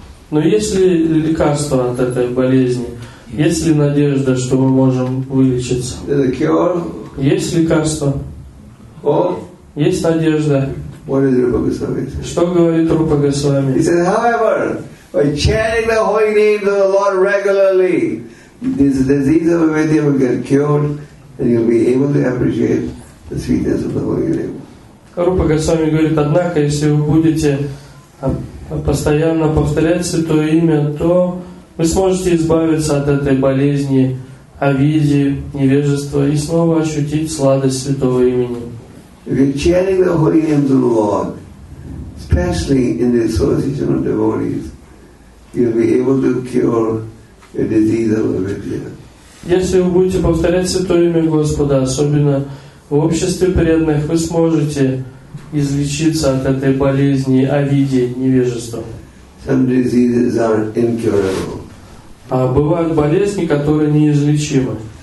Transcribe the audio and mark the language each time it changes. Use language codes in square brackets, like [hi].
[ru] Но есть ли лекарство от этой болезни? Есть ли надежда, что мы можем вылечиться? [en] Is there a cure? [ru] Есть лекарство? [en] Hope? [ru] Есть надежда. [en] What is Rupa Goswami saying? [ru] Что говорит Рупа Госвами? [en] He said, however, by chanting the holy name of the Lord regularly, this disease of avidya will get cured, and you'll be able to appreciate the sweetness of the holy name. [ru] Рупа Госвами говорит, однако, если вы будете постоянно повторять Святое Имя, то вы сможете избавиться от этой болезни, авиди, невежества и снова ощутить сладость Святого Имени. [en] If you're chanting the holy names of the Lord, especially in the association of devotees, you'll be able to cure a disease of avidya. [ru] Если вы будете повторять Святое Имя Господа, особенно в обществе преданных, вы сможете излечиться от этой болезни авиди, невежества. [en] Some diseases are incurable. [ru] А бывают болезни, которые неизлечимы.